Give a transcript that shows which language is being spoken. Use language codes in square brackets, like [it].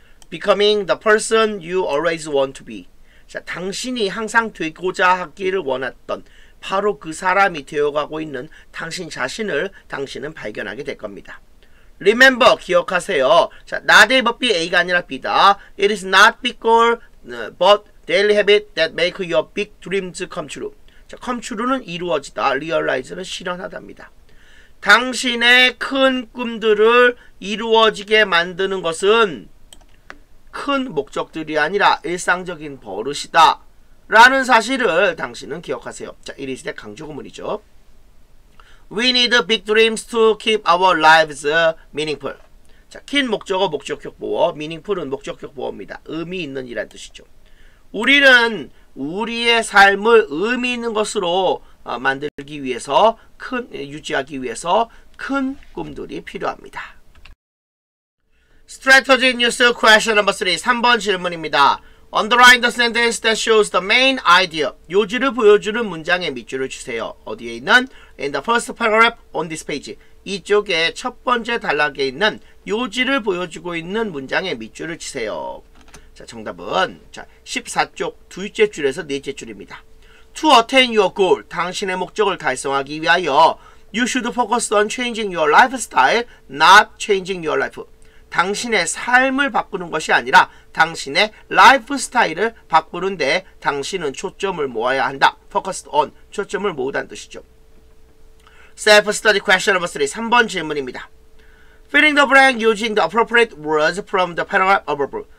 [en] Becoming the person you always want to be. [ko] 자, 당신이 항상 되고자 하기를 원했던 바로 그 사람이 되어가고 있는 당신 자신을 당신은 발견하게 될 겁니다. Remember, 기억하세요. 자, not A but B, A가 아니라 B다. [en] It is not big goal, but daily habit that make your big dreams come true. [ko] 자, come true는 이루어지다, realize는 실현하답니다. 당신의 큰 꿈들을 이루어지게 만드는 것은 큰 목적들이 아니라 일상적인 버릇이다 라는 사실을 당신은 기억하세요. 자, 이리시대 강조구문이죠. [en] We need big dreams to keep our lives meaningful. [ko] 자, 큰 목적어 목적격 보어, meaningful은 목적격 보어입니다. 의미 있는 이란 뜻이죠. 우리는 우리의 삶을 의미 있는 것으로 만들기 위해서 큰 유지하기 위해서 큰 꿈들이 필요합니다. [en] Strategy News Question No. 3, [ko] 3번 질문입니다. [en] Underline the sentence that shows the main idea. [ko] 요지를 보여주는 문장의 밑줄을 주세요. 어디에 있는? [en] In the first paragraph on this page. [ko] 이쪽에 첫 번째 단락에 있는 요지를 보여주고 있는 문장의 밑줄을 주세요. 자, 정답은 자, 14쪽 둘째 줄에서 넷째 줄입니다. [en] To attain your goal, [ko] 당신의 목적을 달성하기 위하여 [en] You should focus on changing your lifestyle, not changing your life. [ko] 당신의 삶을 바꾸는 것이 아니라 당신의 라이프스타일을 바꾸는데 당신은 초점을 모아야 한다. [en] Focus on, [ko] 초점을 모으다는 뜻이죠. [en] Self-study question number 3, [ko] 3번 질문입니다. [en] Filling the blank using the appropriate words from the paragraph above.